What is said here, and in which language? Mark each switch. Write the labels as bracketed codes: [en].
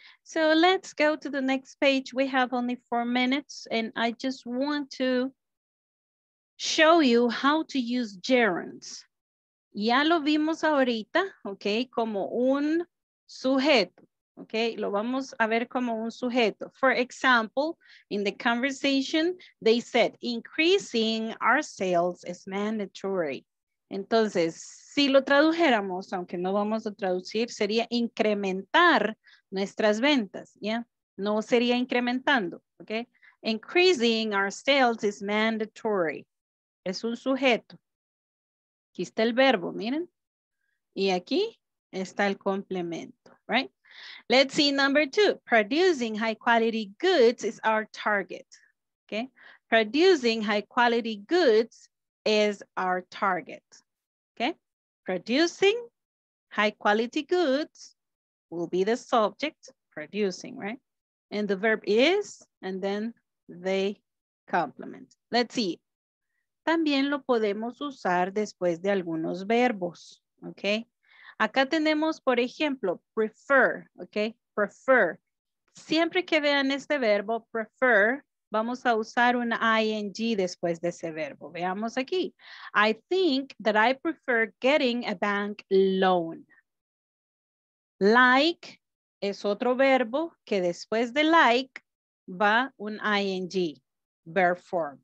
[en] So let's go to the next page. We have only 4 minutes and I just want to show you how to use gerunds. [es] Ya lo vimos ahorita, okay? Como un sujeto, okay? Lo vamos a ver como un sujeto. [en] For example, in the conversation, they said increasing our sales is mandatory. [es] Entonces, si lo tradujéramos, aunque no vamos a traducir, sería incrementar nuestras ventas, ¿ya? No sería incrementando, ¿ok? [en] Increasing our sales is mandatory. [es] Es un sujeto. Aquí está el verbo, miren. Y aquí está el complemento, right? [en] Let's see number two. Producing high quality goods is our target, ¿ok? Producing high quality goods is our target. Producing high quality goods will be the subject, producing, right? And the verb is, and then they complement. Let's see. [es] También lo podemos usar después de algunos verbos, okay? Acá tenemos, por ejemplo, prefer, okay? Prefer. Siempre que vean este verbo, prefer, vamos a usar un ing después de ese verbo. Veamos aquí. [en] I think that I prefer getting a bank loan. [es] Like es otro verbo que después de like va un ing, verb form.